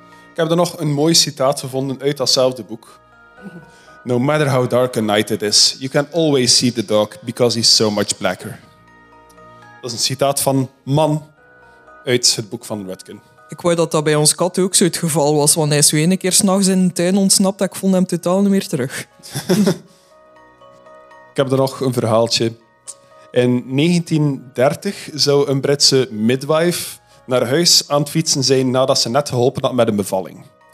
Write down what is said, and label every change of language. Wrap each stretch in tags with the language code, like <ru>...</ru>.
<nl>Ik heb er nog een mooi citaat gevonden uit datzelfde boek.</nl> <en>No matter how dark a night it is, you can always see the dog because he's so much blacker.</en> <nl>Dat is een citaat van Man uit het boek van Rutkin. Ik wou dat dat bij ons kat ook zo het geval was, want hij is weer een keer s'nachts in de tuin ontsnapt en ik vond hem totaal niet meer terug. Ik heb er nog een verhaaltje. In 1930 zou een Britse midwife naar huis aan het fietsen zijn nadat ze net geholpen had met een bevalling.</nl>